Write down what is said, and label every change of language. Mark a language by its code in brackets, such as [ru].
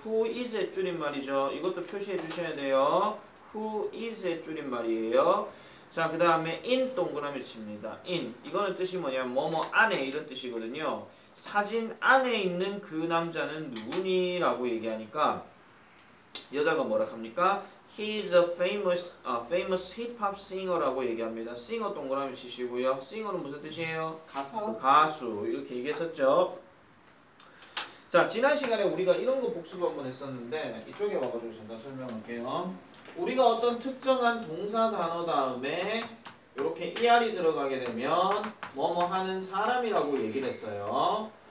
[en] Who is [ko] 의 줄임말이죠. 이것도 표시해 주셔야 돼요. [en] Who is [ko] 의 줄임말이에요. 자, 그 다음에 in 동그라미 칩니다. [en] In. [ko] 이거는 뜻이 뭐냐면 뭐뭐 안에 이런 뜻이거든요. 사진 안에 있는 그 남자는 누구니? 라고 얘기하니까 여자가 뭐라 합니까? [en] He is a famous hip-hop singer [ko] 라고 얘기합니다. singer 동그라미 치시고요. singer는 무슨 뜻이에요? 가수. 가수 이렇게 얘기했었죠. 자, 지난 시간에 우리가 이런 거 복습 한번 했었는데 이쪽에 와가지고 잠깐 설명할게요. 우리가 어떤 특정한 동사 단어 다음에 이렇게 er이 들어가게 되면 뭐뭐 하는 사람이라고 얘기를 했어요.